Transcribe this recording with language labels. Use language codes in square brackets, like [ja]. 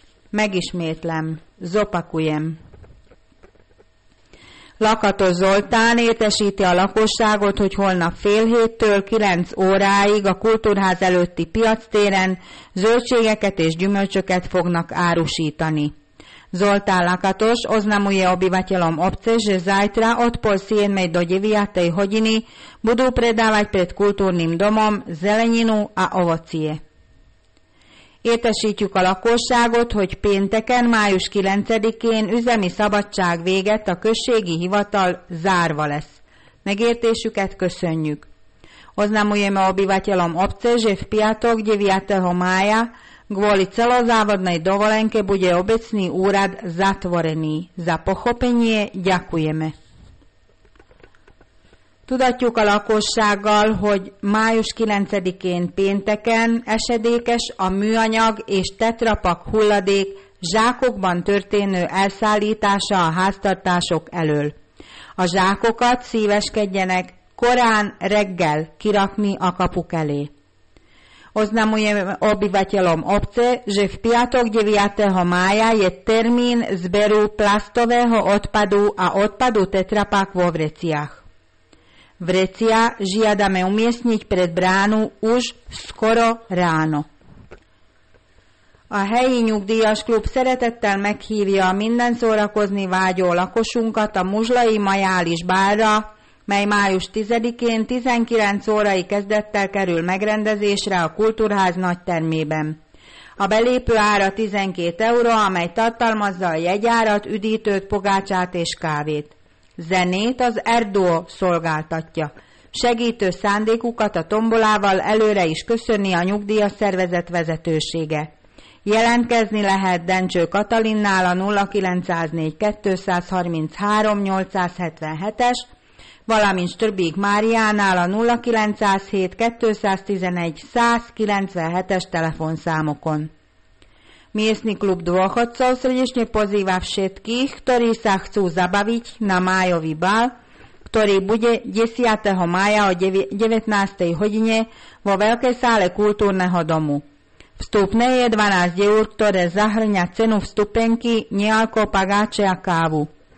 [hu] Megismétlem, [sk] zopakujem. [hu] Lakatos Zoltán értesíti a lakosságot, hogy holnap 7:30-től 9 óráig a kultúrház előtti piactéren zöldségeket és gyümölcsöket fognak árusítani. [sk] Zoltán Lakatos, oznamuje obyvateľom obce, že zajtra odpol 7. do 9. hodiny budú predávať pred kultúrnym domom zeleninu a ovocie. [hu] Értesítjük a lakosságot, hogy pénteken, május 9-én üzemi szabadság véget a községi hivatal zárva lesz. Megértésüket köszönjük. [sk] Oznamujeme obyvateľom obce, že v piatok 9. mája kvôli celozávodnej dovolenke bude obecný úrad zatvorený. Za pochopenie ďakujeme. [hu] Tudatjuk a lakossággal, hogy május 9-én pénteken esedékes a műanyag és tetrapak hulladék zsákokban történő elszállítása a háztartások elől. A zsákokat szíveskedjenek korán reggel kirakni a kapuk elé. [sk] Oznamujeme obyvateľom obce, že v piatok 9. mája je termín zberu plastového odpadu a odpadu tetrapak vo vreciach. Vrecia žiadame umiestniť pred bránu už skoro ráno. [hu] A helyi nyugdíjas klub szeretettel meghívja a minden szórakozni vágyó lakosunkat a Muzslai Majális bárra, mely május 10-én 19 órai kezdettel kerül megrendezésre a Kultúrház nagytermében. A belépő ára 12 euró, amely tartalmazza a jegyárat, üdítőt, pogácsát és kávét. Zenét az Erdő szolgáltatja. Segítő szándékukat a tombolával előre is köszöni a nyugdíjas szervezet vezetősége. Jelentkezni lehet Dencső Katalinnál a 0904-233-877-es, valamint Ströbik Máriánál a 0907-211-197-es telefonszámokon. [sk] Miestny klub dôchodcov srdečne pozýva všetkých, ktorí sa chcú zabaviť na májový bal, ktorý bude 10. mája o 19. hodine vo Veľkej sále kultúrneho domu. Vstupné je 12 eur, ktoré zahrňa cenu vstupenky, nealko, pagáče a kávu.